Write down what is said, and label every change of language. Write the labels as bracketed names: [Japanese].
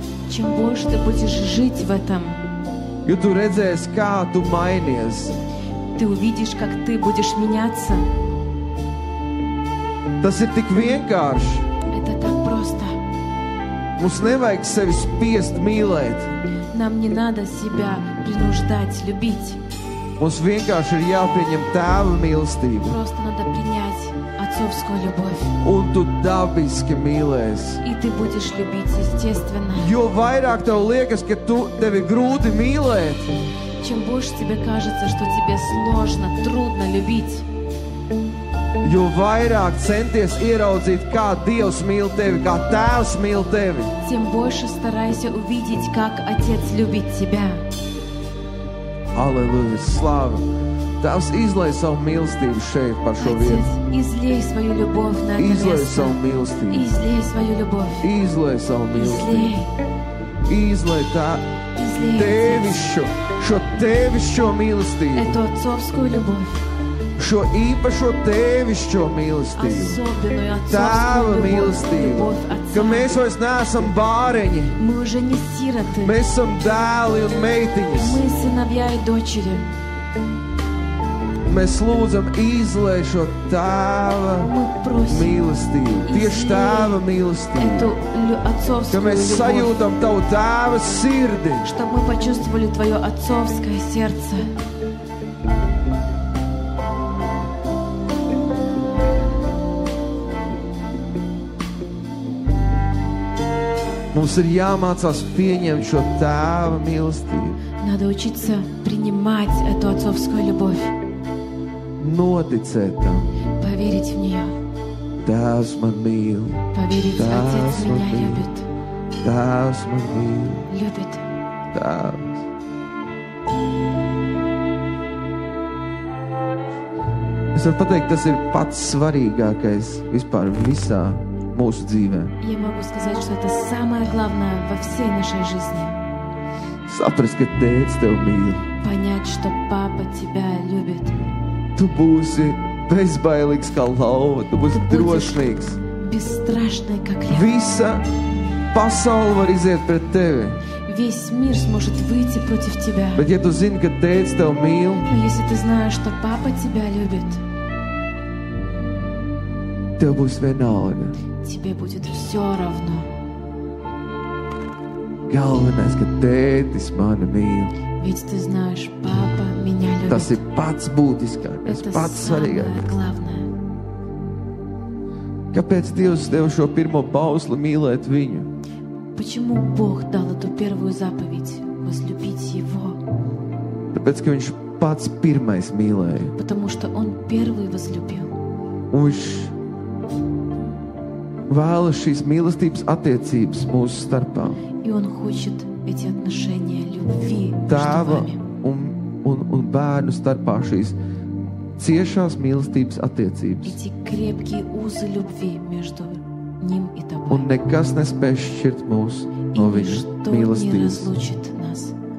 [Russian] Чем больше ты будешь жить в этом. [Latvian] Jo tu redzēsi, kā tu mainies. [Russian] Ты увидишь, как ты будешь меняться. [Latvian] Tas ir tik vienkārši. [Russian] Это так просто. [Latvian] Mums nevajag sevi spiest mīlēt. [Russian] Нам не надо себя принуждать любить. [Latvian] Mums vienkārši ir jāpieņem tēva mīlestību. [Russian] Просто надо принять отцовскую любовь. [Latvian] Un tu dabiski mīlēsi. [Russian] И ты будешь любить естественно. [Latvian] Jo vairāk tev liekas, ka tu tevi grūti mīlēt. [Russian] Чем больше тебе кажется, что тебе сложно, трудно любить. [Latvian] Jo vairāk centies ieraudzīt, kā Dievs mīl tevi, kā Tēvs mīl tevi. [Russian] Тем больше старайся увидеть, как Отец любит тебя. Аллилуйя, слава. [Latvian] Tēvs, izlej savu mīlestību šeit par šo vietu. [Russian] Отец, излей свою любовь на это место. [Latvian] Izlej savu mīlestību. [Russian] Излей свою любовь. [Latvian] Izlej savu mīlestību. Izlej. Izlej tā. Izlej. Tēvišķo. Šo tēvišķo mīlestību. [Russian] Эту отцовскую любовь. [Latvian] Šo īpašo tēvišķo mīlestību. [Russian] Особенную отцовскую [Latvian] Tēva mīlestību. Ka mēs vairs neesam bāreņi. [Russian] Мы уже не сироты. [Latvian] Mēs esam dēli un meitiņas. [Russian] Мы сыновья и дочери. [Latvian] Mēs lūdzam izlej šo Tēva mīlestību. Tieši Tēva mīlestību. [Russian] Эту отцовскую [Latvian] Ka mēs sajūtam Tavu Tēva sirdi. [Russian] Чтобы мы почувствовали Твое отцовское сердце. [Latvian] Mums ir jāmācās pieņemt šo Tēva mīlestību. [Russian] Надо учиться принимать эту отцовскую любовь. [Latvian] Noticēt tam. [Russian] Поверить в неё. [Latvian] Tēvs man mīl. [Russian] Поверить, Отец меня любит. [Latvian] Tēvs man mīl. [Russian] Любит. [Latvian] Tēvs. Es varu pateikt, tas ir pats svarīgākais vispār visā. Mūsu dzīvē. [Russian] Я могу сказать, что это самое главное во всей нашей жизни. [Latvian] Saprast, ka tēts tev mīl. [Russian] Понять, что папа тебя любит. [Latvian] Tu būsi bezbailīgs kā lauva, tu būsi drošīgs. [Russian] Бесстрашный, как лев. [Latvian] Visa pasaule var iziet pret tevi. [Russian] Весь мир сможет выйти против тебя. [Latvian] Bet ja tu zini, ka tēts tev mīl. [Russian] Но если ты знаешь, что папа тебя любит. [Latvian] Tev būs vienalga. [Russian] Тебе будет все равно. [Latvian] Galvenais, ka tētis mani mīl. [Russian] Ведь ты знаешь, папа меня любит. [Latvian] Tas ir pats būtiskākais, pats svarīgākais. Kāpēc Dievs tev šo pirmo pausli mīlēt viņu? [Russian] Почему Бог дал эту первую заповедь возлюбить его? [Latvian] Tāpēc, ka viņš pats pirmais mīlēja. [Russian] Потому что он первый возлюбил. [Latvian] Vēlas šīs mīlestības attiecības mūsu starpā. [Russian] И он хочет эти отношения любви. [Latvian] Tēva un bērnu starpā šīs ciešās mīlestības attiecības. [Russian] Эти крепкие узы любви между ним и тобой. [Latvian] Un nekas nespēj šķirt mūs no viņa mīlestības.